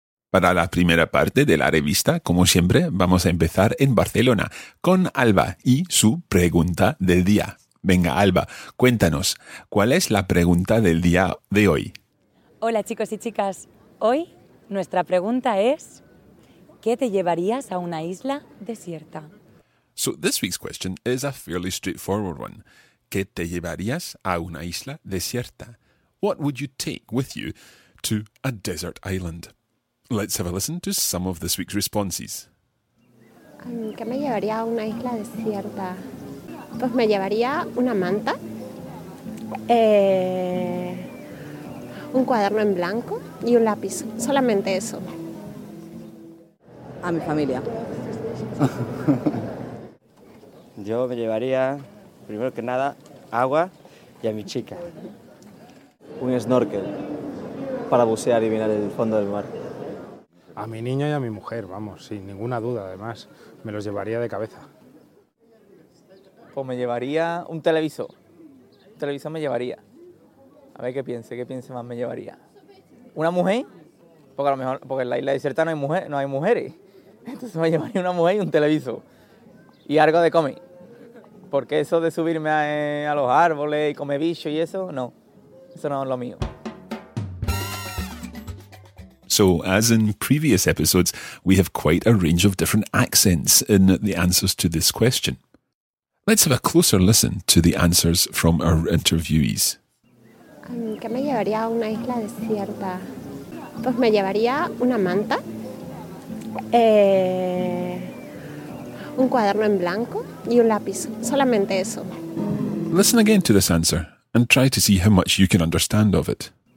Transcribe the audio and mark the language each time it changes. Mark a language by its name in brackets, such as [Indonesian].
[Spanish] Para la primera parte de la revista, como siempre, vamos a empezar en Barcelona con Alba y su pregunta del día. Venga, Alba, cuéntanos, ¿cuál es la pregunta del día de hoy? Hola, chicos y chicas. Hoy nuestra pregunta es, ¿qué te llevarías a una isla desierta? [English] So this week's question is a fairly straightforward one. [Spanish] ¿Qué te llevarías a una isla desierta? [English] What would you take with you to a desert island? Let's have a listen to some of this week's responses. [Spanish] ¿Qué me llevaría a una isla desierta? Pues me llevaría una manta, un cuaderno en blanco y un lápiz. Solamente eso. A mi familia. Yo me llevaría, primero que nada, agua y a mi chica. Un snorkel para bucear y mirar el fondo del mar. A mi niño y a mi mujer, vamos, sin ninguna duda, además. Me los llevaría de cabeza. Pues me llevaría un televisor. Un televisor me llevaría. A ver qué piense más me llevaría. ¿Una mujer? Porque a lo mejor, porque en la isla desierta no hay mujer, no hay mujeres. Entonces me llevaría una mujer y un televisor. Y algo de comer. Porque eso de subirme a los árboles y comer bicho y eso, no. Eso no es lo mío. [English] So, as in previous episodes, we have quite a range of different accents in the answers to this question. Let's have a closer listen to the answers from our interviewees. [Spanish] ¿Qué me llevaría a una isla desierta? Pues me llevaría una manta, un cuaderno en blanco y un lápiz. Solamente eso. [English] Listen again to this answer and try to see how much you can understand of it.